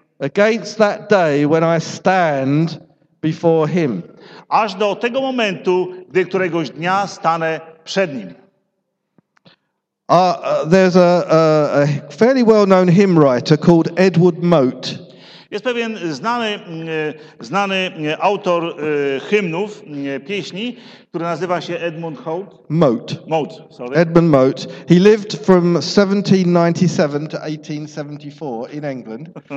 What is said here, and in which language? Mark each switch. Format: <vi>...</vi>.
<en>Against that day when I stand before him.</en> <pl>Aż do tego momentu, gdy któregoś dnia stanę przed nim.</pl> <en>There's a fairly well-known hymn writer called Edward Mote.</en> <pl>Jest pewien znany autor hymnów, pieśni, który nazywa się Edmund Holt.</pl> <en>Mote. Edmund Mote. He lived from 1797 to 1874 in England.</en>